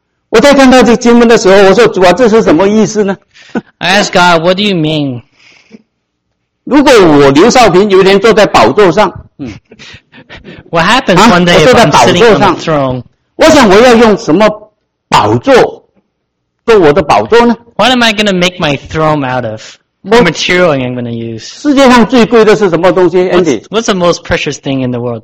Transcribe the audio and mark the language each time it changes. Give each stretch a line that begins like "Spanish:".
Chinese: 我在看到这经文的时候，我说主啊，这是什么意思呢
English: ？I ask God, "What do you mean?"
Chinese: 如果我刘少平有一天坐在宝座上，
English: What happens one day if I'm sitting on the throne?
Chinese: 我想我要用什么宝座做我的宝座呢？
English: What am I going to make my throne out of? What material am I going to use?
Chinese: 世界上最贵的是什么东西 ，Andy?
English: What's the most precious thing in the world?